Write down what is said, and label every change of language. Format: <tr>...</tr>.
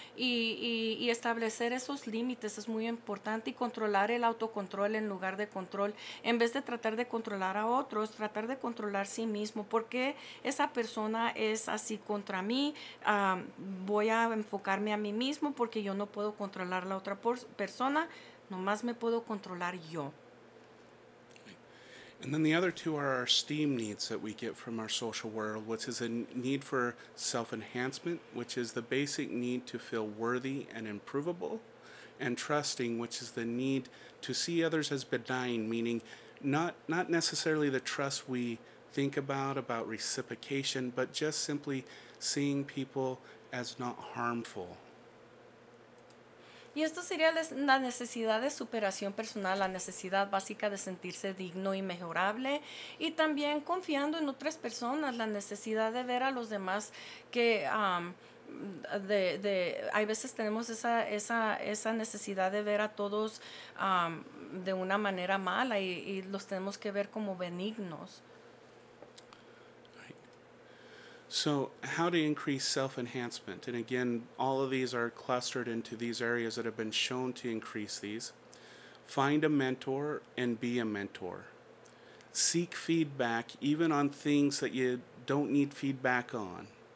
<es>Y establecer esos límites es muy importante, y controlar el autocontrol en lugar de control. En vez de tratar de controlar a otros, tratar de controlar sí mismo. ¿Por qué esa persona es así contra mí? Voy a enfocarme a mí mismo porque yo no puedo controlar la otra persona. Nomás me puedo controlar yo.</es> <en>And then the other two are our esteem needs that we get from our social world, which is a need for self-enhancement, which is the basic need to feel worthy and improvable, and trusting, which is the need to see others as benign, meaning not necessarily the trust we think about reciprocation, but just simply seeing people as not harmful.</en> <es>Y esto sería la necesidad de superación personal, la necesidad básica de sentirse digno y mejorable. Y también confiando en otras personas, la necesidad de ver a los demás que hay veces tenemos esa necesidad de ver a todos de una manera mala, y los tenemos que ver como benignos.</es> <en>So how to increase self-enhancement, and again, all of these are clustered into these areas that have been shown to increase these. Find a mentor and be a mentor. Seek feedback, even on things that you don't need feedback on.</en>